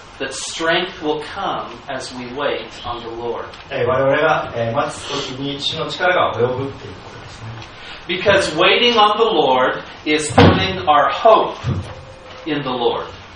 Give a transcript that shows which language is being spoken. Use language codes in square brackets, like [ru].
[en] That strength will come as we wait on the Lord. [ja] 我々が待つときに主の力が及ぶということですね。 [en] Because waiting on the Lord is putting our hope in the Lord.